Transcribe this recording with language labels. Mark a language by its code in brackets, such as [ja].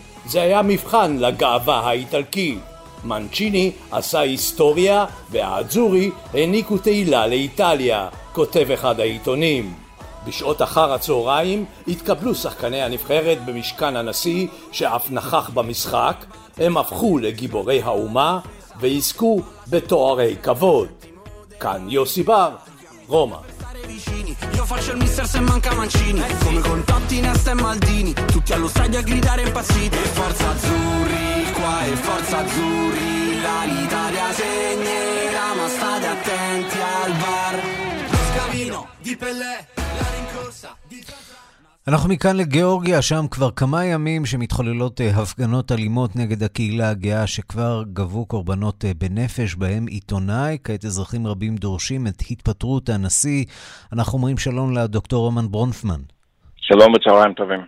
[he] זה היה מבחן לגאווה האיטלקית. מנצ'יני עשה היסטוריה והאזורי העניקו תהילה לאיטליה, כותב אחד העיתונים. בשעות אחר הצהריים התקבלו שחקני הנבחרת במשכן הנשיא שאף נכח במשחק, הם הפכו לגיבורי האומה ויזכו בתוארי כבוד. כאן יוסי בר, רומא. [it] Io faccio il mister se manca Mancini, come con Totti, Nesta e Maldini, tutti allo stadio a gridare impazziti. E forza azzurri qua e forza azzurri là, l'Italia segnerà, ma state attenti al VAR. Lo scavino di Pelé, la rincorsa di Zaza. [he] אנחנו מכאן לגיאורגיה, שם כבר כמה ימים שמתחוללות הפגנות אלימות נגד הקהילה הגאה שכבר גבו קורבנות בנפש, בהם עיתונאי. כעת אזרחים רבים דורשים את התפטרות הנשיא. אנחנו אומרים שלום לדוקטור רומן ברונפמן. שלום וצהריים טובים.